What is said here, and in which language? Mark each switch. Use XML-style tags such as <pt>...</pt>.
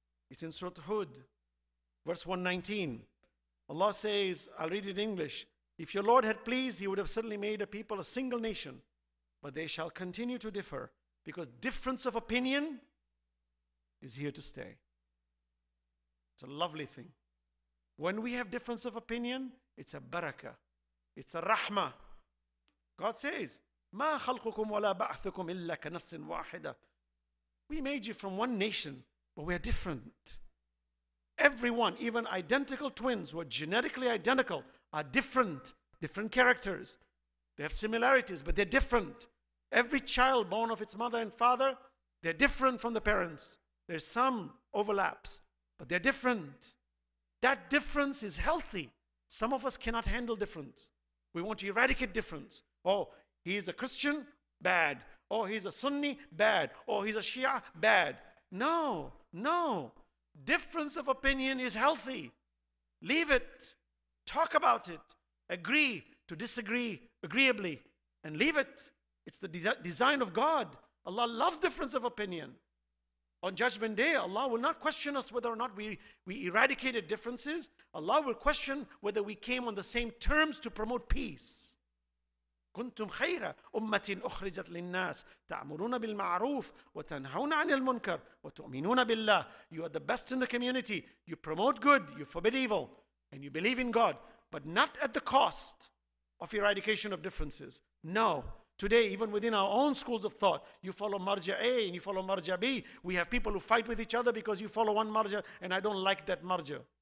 <en>It's in Surah Hud, verse 119. Allah says, I'll read it in English. If your Lord had pleased, He would have certainly made a people a single nation But they shall continue to differ because difference of opinion is here to stay. It's a lovely thing. When we have difference of opinion, it's a barakah. It's a rahmah. God says,</en> <ar>مَا خَلْقُكُمْ وَلَا بَعْثُكُمْ إِلَّا كَنَفْسٍ وَاحِدًا.</ar> <en>We made you from one nation, but we are different. Everyone, even identical twins who are genetically identical, are different. Different characters. They have similarities, but they're different. Every child born of its mother and father, they're different from the parents. There's some overlaps, but they're different. That difference is healthy. Some of us cannot handle difference. We want to eradicate difference. Oh, he is a Christian? Bad. Oh, he's a Sunni? Bad. Oh, he's a Shia? Bad. No, no. Difference of opinion is healthy. Leave it. Talk about it. Agree to disagree agreeably and leave it. It's the design of God. Allah loves difference of opinion. On Judgment Day, Allah will not question us whether or not we eradicated differences. Allah will question whether we came on the same terms to promote peace.</en> <ar>كنتم خير أمة أخرجت للناس تأمرون بالمعروف وتنهون عن المنكر وتؤمنون بالله.</ar> <en>You are the best in the community. You promote good, you forbid evil, and you believe in God, but not at the cost of eradication of differences. No. Today, even within our own schools of thought, you follow Marja A and you follow Marja B. We have people who fight with each other because you follow one Marja and I don't like that Marja.</en>